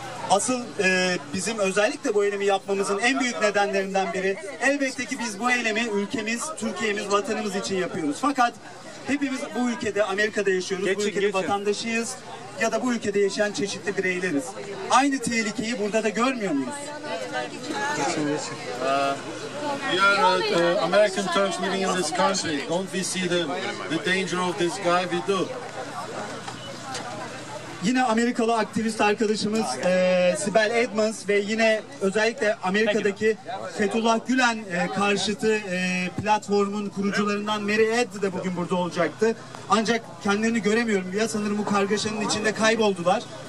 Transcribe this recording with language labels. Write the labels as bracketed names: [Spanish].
[Turkish] Asıl bizim özellikle bu eylemi yapmamızın en büyük nedenlerinden biri, elbette ki biz bu eylemi ülkemiz, Türkiye'miz, vatanımız için yapıyoruz. Fakat hepimiz bu ülkede, Amerika'da yaşıyoruz, geçin, bu ülkede geçin. Vatandaşıyız ya da bu ülkede yaşayan çeşitli bireyleriz. Aynı tehlikeyi burada da görmüyor muyuz? Geçin, geçin. [English] We are American Turks living in this country. Don't we see the danger of this guy? We do. [Turkish] Yine Amerikalı aktivist arkadaşımız Sibel Edmonds ve yine özellikle Amerika'daki Fethullah Gülen karşıtı platformun kurucularından Mary Ed de bugün burada olacaktı. Ancak kendilerini göremiyorum ya, sanırım bu kargaşanın içinde kayboldular.